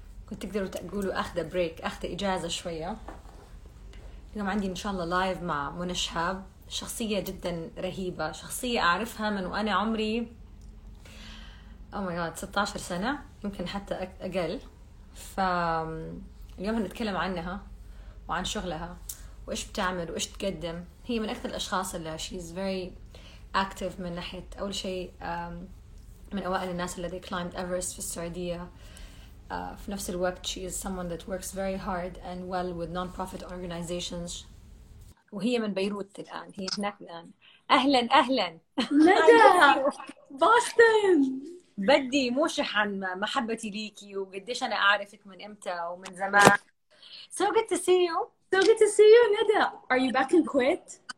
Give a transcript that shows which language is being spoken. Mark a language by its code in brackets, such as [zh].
[ar] كنت تقدروا تقولوا أخذ بريك، أخذ إجازة شوية. اليوم عندي إن شاء الله لايف مع منى شهاب، شخصية جدا رهيبة، شخصية أعرفها من وأنا عمري [en] oh my god [ar] 16 سنة، يمكن حتى أقل. فاليوم هنتكلم عنها وعن شغلها وإيش بتعمل وإيش تقدم. هي من أكثر الأشخاص اللي [en] she's very active [ar] من ناحية أول شيء، من أوائل الناس اللي [en] climbed Everest [ar] في السعودية. في نفس الوقت [en] she is someone that works very hard and well with non-profit organizations. [ar] وهي من بيروت الآن، هي هناك الآن. أهلا أهلا ندى باستن. بدي موشح عن محبتي ليكي وقديش أنا أعرفك من إمتى ومن زمان. [en] So good to see you ندى. Are you back in Kuwait?